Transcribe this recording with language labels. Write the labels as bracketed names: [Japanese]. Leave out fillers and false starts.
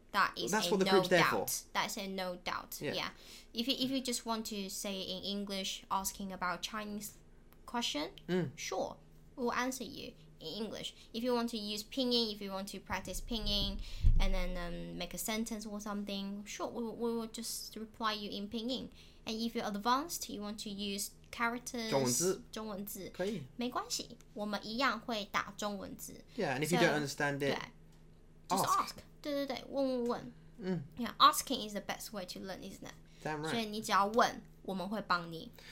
[English] That's a no doubt. Yeah. If you just want to say in English, asking about Chinese question, sure, we'll answer you in English. If you want to use pinyin, if you want to practice pinyin, and then make a sentence or something, sure, we will just reply you in pinyin. And if you're advanced, you want to use characters, [Chinese] 中文字, 没关系, 我们一样会打中文字. [English] Yeah, and if you don't understand it, just ask. [Chinese] 对对对，问问问。 [English] Yeah, asking is the best way to learn, isn't it? Damn right. [Chinese] 所以你只要问，我们会帮你。